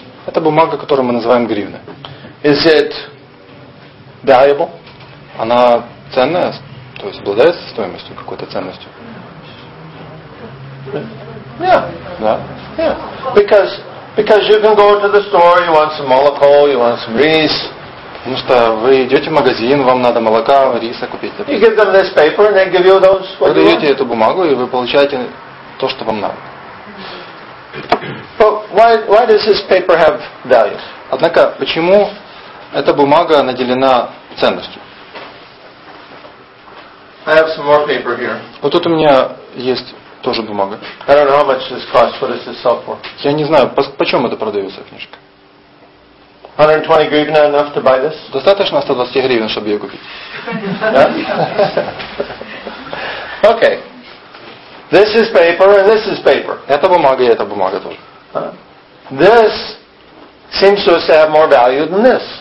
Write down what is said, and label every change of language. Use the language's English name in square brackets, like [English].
[Russian] Это бумага, которую мы называем гривна. [English] Is it valuable? [Russian] Она ценная? То есть обладает стоимостью, какой-то ценностью? [English] Yeah. [Russian] Да. [English] Yeah. Because you can go to the store, you want some молоко, you want some rice. [Russian] Потому что вы идете в магазин, вам надо молока, риса купить. [English] You give them this paper and they give you those. [Russian] Вы даете эту бумагу и вы получаете то, что вам надо. [English] But why does this paper have value? [Russian] Однако, почему эта бумага наделена ценностью? [English] I have some more paper here. [Russian] Вот тут у меня есть тоже бумага. [English] I don't know how much this costs. What does this sell for? [Russian] Я не знаю, почем это продается книжка. [English] 120 гривен enough to buy this? [Russian] Достаточно 120 гривен, чтобы ее купить. [English] Okay. This is paper and this is paper. [Russian] Это бумага и это бумага тоже. [English] This seems to us to have more value than this.